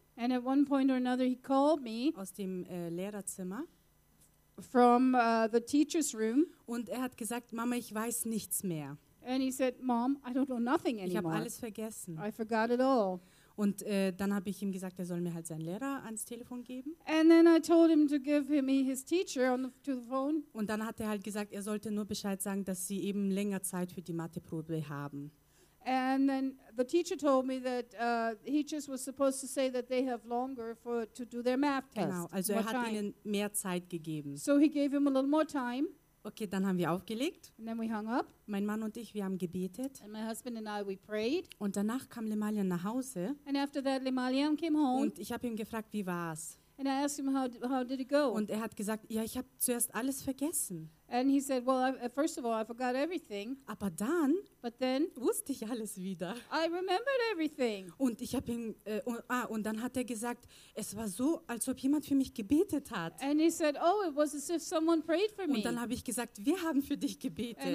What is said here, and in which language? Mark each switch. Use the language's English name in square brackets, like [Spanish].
[English] And at one point or another he called me. [German] Aus dem Lehrerzimmer. [English] From the teacher's room. [German] Und er hat gesagt, Mama, ich weiß nichts mehr. [English] And he said, Mom, I don't know nothing anymore. [German] Ich habe alles vergessen. [English] I forgot it all. [German] Und dann habe ich ihm gesagt, er soll mir halt seinen Lehrer ans Telefon geben. [English] And then I told him to give him his teacher on the, to the phone. [German] Und dann hat er halt gesagt, er sollte nur Bescheid sagen, dass sie eben länger Zeit für die Matheprobe haben. [English] And then the teacher told me that he just was supposed to say that they have longer for to do their math test. [German] Genau, also er hat ihnen mehr Zeit gegeben. [English] So he gave him a little more time. [German] Okay, dann haben wir aufgelegt. [English] And then we hung up. [German] Mein Mann und ich, wir haben gebetet. [English] And my husband and I, we prayed. [German] Und danach kam Lemalian nach Hause. [English] And after that, Lemalian came home. [German] Und ich habe ihn gefragt, wie war's? [English] And I asked him how did it go? [German] Und er hat gesagt, ja, ich habe zuerst alles vergessen. [English] And he said, well, first of all, I forgot everything. [German] Aber dann, [English] but then, [German] wusste ich alles wieder. [English] I remembered everything. [German] Und ich habe ihm und dann hat er gesagt, es war so, als ob jemand für mich gebetet hat. [English] And he said, oh, it was as if someone prayed for [German] und [English] me. [German] Und dann habe ich gesagt, wir haben für dich gebetet.